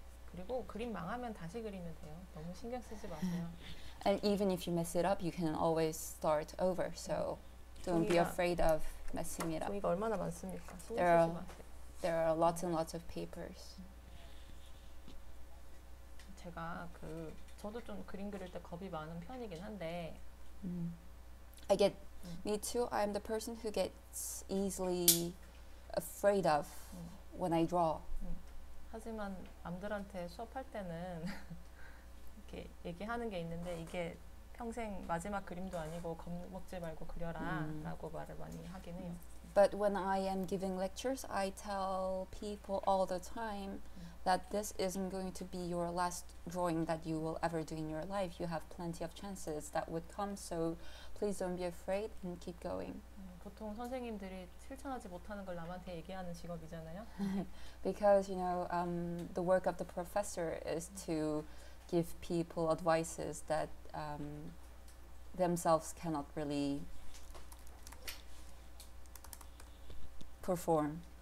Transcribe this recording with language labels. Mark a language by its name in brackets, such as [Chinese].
[Korean] 그리고 그림 망하면 다시 그리면 돼요. 너무 신경 쓰지 마세요. [English] And even if you mess it up, you can always start over. So. Don't be afraid of messing it up. [Korean] 종이가 얼마나 많습니까? 신경 쓰지 마세요. [English] There are lots and lots of papers. [Korean] 제가 저도 좀 그림 그릴 때 겁이 많은 편이긴 한데. [English] I get, me too. I'm the person who gets easily afraid of when I draw. [Korean] 하지만 남들한테 수업할 때는 이렇게 얘기하는 게 있는데 이게 평생 마지막 그림도 아니고 겁먹지 말고 그려라 라고 말을 많이 하긴 해요. [English] But when I am giving lectures, I tell people all the time that this isn't going to be your last drawing that you will ever do in your life. You have plenty of chances that would come, so please don't be afraid and keep going. [Korean] 보통 선생님들이 실천하지 못하는 걸 남한테 얘기하는 직업이잖아요. [English] Because, you know, the work of the professor is to give people advices that themselves cannot really perform.